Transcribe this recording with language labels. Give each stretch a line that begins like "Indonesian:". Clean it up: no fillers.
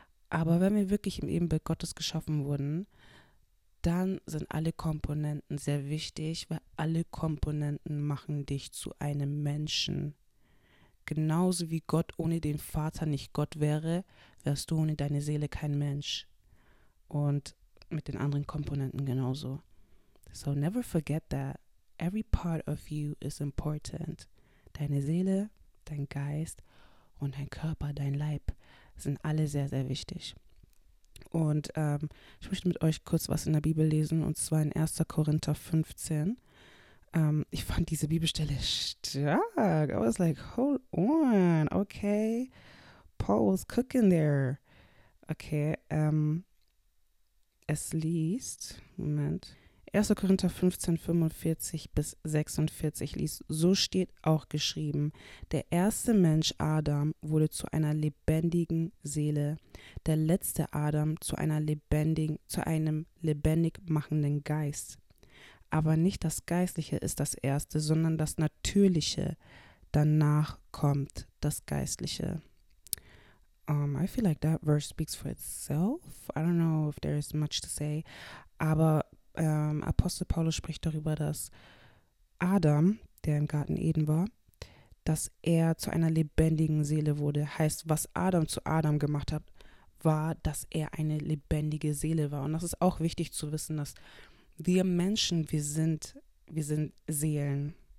German: Aber wenn wir wirklich im Ebenbild Gottes geschaffen wurden, dann sind alle Komponenten sehr wichtig, weil alle Komponenten machen dich zu einem Menschen. Genauso wie Gott ohne den Vater nicht Gott wäre, wärst du ohne deine Seele kein Mensch. Und mit den anderen Komponenten genauso.
English: So never forget that every part of you is important.
German: Deine Seele, dein Geist und dein Körper, dein Leib sind alle sehr, sehr wichtig. Und ich möchte mit euch kurz was in der Bibel lesen, und zwar in 1. Korinther 15. Ich fand diese Bibelstelle stark.
English: I was like, hold on, okay. Paul was cooking there. Okay,
German: es liest, Moment,
English: 1.
German: Korinther 15, 45 bis 46 liest, so steht auch geschrieben, der erste Mensch Adam wurde zu einer lebendigen Seele, der letzte Adam zu einem lebendig machenden Geist. Aber nicht das Geistliche ist das Erste, sondern das Natürliche. Danach kommt das Geistliche.
English: I feel like that verse speaks for itself. I don't know if there is much to say.
German: Aber Apostel Paulus spricht darüber, dass Adam, der im Garten Eden war, dass er zu einer lebendigen Seele wurde. Heißt, was Adam zu Adam gemacht hat, war, dass er eine lebendige Seele war. Und das ist auch wichtig zu wissen, dass wir Menschen, wir sind Seelen.